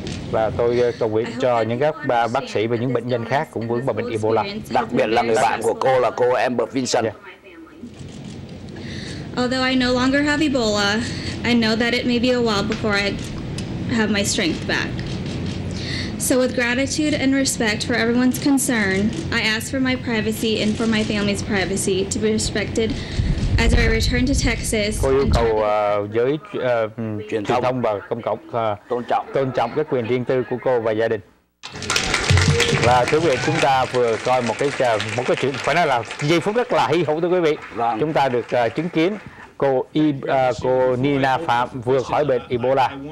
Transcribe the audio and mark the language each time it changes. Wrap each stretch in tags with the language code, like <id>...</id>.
<vi>Và tôi cầu nguyện cho những các bác sĩ và những bệnh nhân khác cũng vướng vào bệnh Ebola. Đặc biệt là người bạn của cô là cô Amber Vinson.</vi> <en>Although I no longer have Ebola, I know that it may be a while before I have my strength back. So with gratitude and respect for everyone's concern, I ask for my privacy and for my family's privacy to be respected as I return to Texas.</en> <vi>Cô yêu cầu giới truyền thông và công cộng tôn trọng cái quyền riêng tư của cô và gia đình. Và thưa quý vị, chúng ta vừa coi một cái chuyện phải nói là giây phút rất là hy hữu, thưa quý vị. Vâng. Chúng ta được chứng kiến cô Nina Phạm vừa khỏi bệnh Ebola.</vi>